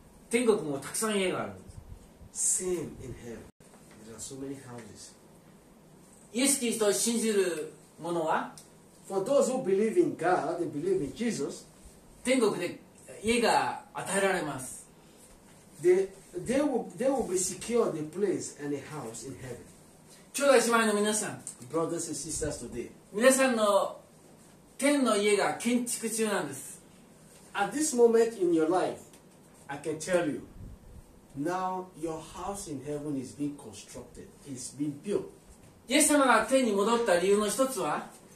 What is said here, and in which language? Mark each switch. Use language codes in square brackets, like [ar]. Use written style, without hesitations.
[ja] 天国もたくさん家があるんです。 [en] Same in heaven. There are so many houses. [ja] イエス・キリストを信じる者は [en] For those who believe in God and believe in Jesus, [ja] 天国で家が与えられます。 [en] They will be secured the place and a house in heaven. [ja] 兄弟姉妹の皆さん [en] Brothers and sisters today. [ja] 皆さんの天の家が建築中なんです。 [en] At this moment in your life, I can tell you, now your house in heaven is being constructed, it's being built. [ja] イエス様が天に戻った理由の一つは